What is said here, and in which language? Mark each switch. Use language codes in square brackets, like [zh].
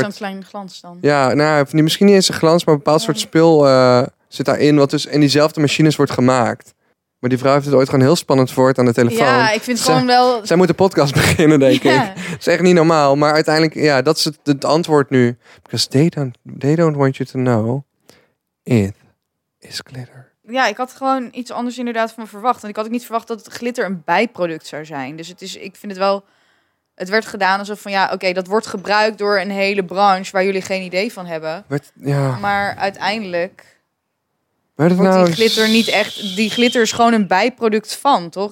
[nl] Ja, dat is een klein glans dan. Ja, nou, niet, misschien niet eens een glans, maar een bepaald soort spul zit daarin, wat dus in diezelfde machines wordt gemaakt. Maar die vrouw heeft het ooit gewoon heel spannend voor aan de telefoon. Ja, ik vind gewoon wel... Zij moet de podcast beginnen, denk ik. Dat is echt niet normaal, maar uiteindelijk, ja, dat is het antwoord nu. [en] Because they don't want you to know, it is glitter. [nl] Ja, ik had gewoon iets anders inderdaad van verwacht. En ik had ook niet verwacht dat het glitter een bijproduct zou zijn. Dus het is, ik vind het wel... Het werd gedaan alsof van ja, oké, dat wordt gebruikt door een hele branche waar jullie geen idee van hebben. Maar uiteindelijk... Die glitter is gewoon een bijproduct van, toch?